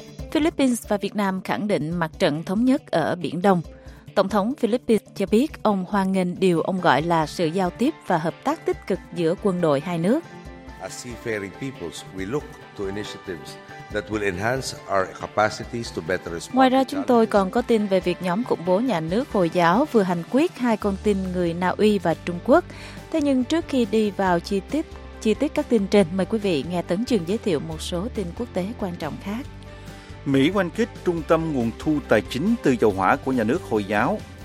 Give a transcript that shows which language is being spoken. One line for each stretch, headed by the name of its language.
Vietnamese: Philippines và Việt Nam khẳng định mặt trận thống nhất ở Biển Đông. Tổng thống Philippines cho biết ông hoan nghênh điều ông gọi là sự giao tiếp và hợp tác tích cực giữa quân đội hai nước.
English: As seafaring peoples, we look to initiatives that will enhance our capacities to better respond.
Vietnamese: Ngoài ra, chúng tôi còn có tin về việc nhóm khủng bố nhà nước Hồi giáo vừa hành quyết hai con tin người Na Uy và Trung Quốc. Thế nhưng trước khi đi vào chi tiết các tin trên, mời quý vị nghe Tấn Trường giới thiệu một số tin quốc tế quan trọng khác. Mỹ quan kết trung tâm nguồn thu tài chính từ dầu hỏa của nhà nước Hồi giáo.